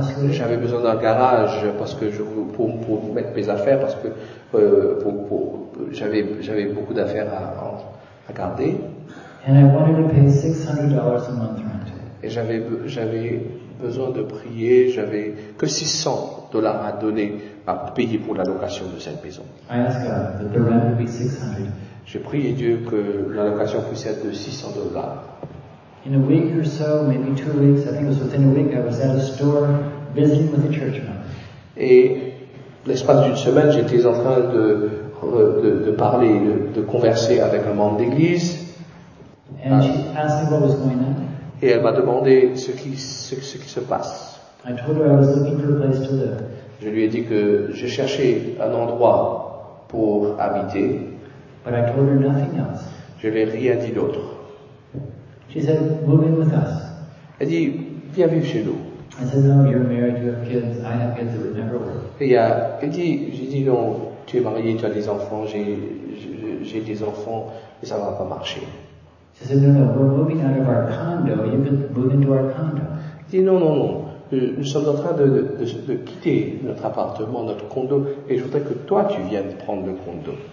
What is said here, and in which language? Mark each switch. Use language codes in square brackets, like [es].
[fr] J'avais besoin d'un garage parce que pour mettre mes affaires parce que j'avais beaucoup d'affaires à garder. [en] And I wanted to pay $600 a month rent. [fr] Et j'avais besoin de prier, j'avais que $600 à donner à payer pour la location de cette maison. [en] I asked God that the rent would be $600. [fr] J'ai prié Dieu que l'allocation puisse être de $600. [en] In a week or so, maybe 2 weeks, I think it was within a week, I was at a store visiting with a church member. [fr] Et l'espace d'une semaine, j'étais en train de parler, de converser avec un membre d'église. [en] And she asked me what was going on. [fr] Et elle m'a demandé ce qui se passe. [en] I told her I was looking for a place to live. [fr] Je lui ai dit que je cherchais un endroit pour habiter. [en] But I told her nothing else. [fr] Je n'ai rien dit d'autre. [en] She said, "Move in with us." [fr] Elle dit, viens vivre chez nous. [en] I said, "No, you're married, you have kids. I have kids that would never work." [fr] Et j'ai dit non, tu es marié, tu as des enfants, j'ai des enfants, mais ça ne va pas marcher. [en] She said, "No, we're moving out of our condo. You can move into our condo." [fr] Elle dit, non. Nous sommes en train de quitter notre appartement, notre condo, et je voudrais que toi tu viennes prendre le condo.